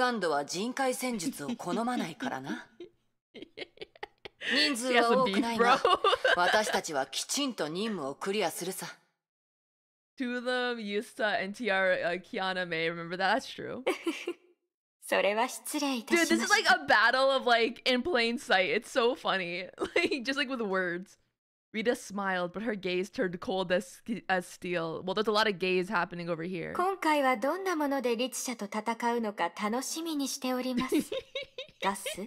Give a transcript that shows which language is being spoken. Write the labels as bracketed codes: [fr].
[ja] 主教様がおっしゃっていたのは、あなたのことだったんですね。入った新人さんをこんな危険な場所に派遣するなんて。これはこれはリタさんじゃないか。久しぶりだな。久しぶり。渡りガラスさん。安心するといい。天命とは違い、ヨルムンガンドは人海戦術を好まないからな。人数は多くないが、私たちはきちんと任務をクリアするさ。 [en] Two of them, Yusta and Tiara, Kiana May, remember that? That's true. [ja] それは失礼いたしました。 [en] Dude, this is like a battle of like in plain sight. It's so funny. Like, just like with words. Rita smiled, but her gaze turned cold as steel. Well, there's a lot of gaze happening over here. [ja] 今回はどんなものでリツ社と戦うのか楽しみにしております。ガス?